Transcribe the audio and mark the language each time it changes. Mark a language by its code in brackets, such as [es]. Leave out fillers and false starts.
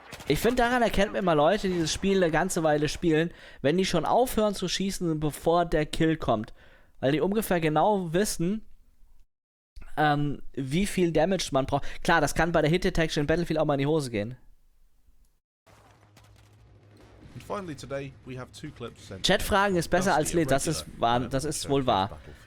[de] Ich finde, daran erkennt man immer Leute, die das Spiel eine ganze Weile spielen, wenn die schon aufhören zu schießen, bevor der Kill kommt. Weil die ungefähr genau wissen, wie viel Damage man braucht. Klar, das kann bei der Hit Detection in Battlefield auch mal in die Hose gehen. [en] And finally today we have two clips sent. [de] Chatfragen ist besser als Lied, das ist wohl wahr.